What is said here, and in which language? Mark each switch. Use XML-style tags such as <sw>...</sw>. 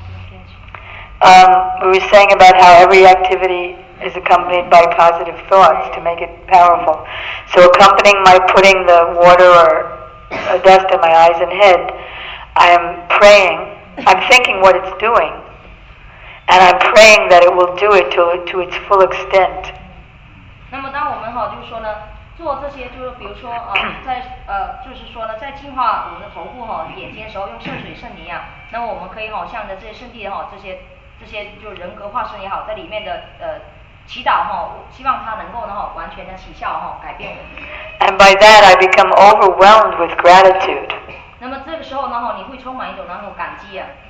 <en>We were saying about how every activity is accompanied by positive thoughts to make it powerful. So accompanying my putting the water or dust in my eyes and head, I am praying. I'm thinking what it's doing. And I'm praying that it will do it to its full extent.</en> <zh>那么当我们哈就是说呢，做这些就是比如说啊，在就是说呢，在净化我们的头部哈眼睛的时候，用圣水圣泥啊，那么我们可以哈向着这些圣地哈这些就是人格化身也好，在里面的祈祷哈，希望它能够呢哈完全的起效哈，改变我们。</zh> <en>And by that, I become overwhelmed with gratitude.</en> <zh>那么这个时候呢哈，你会充满一种那种感激啊。</zh>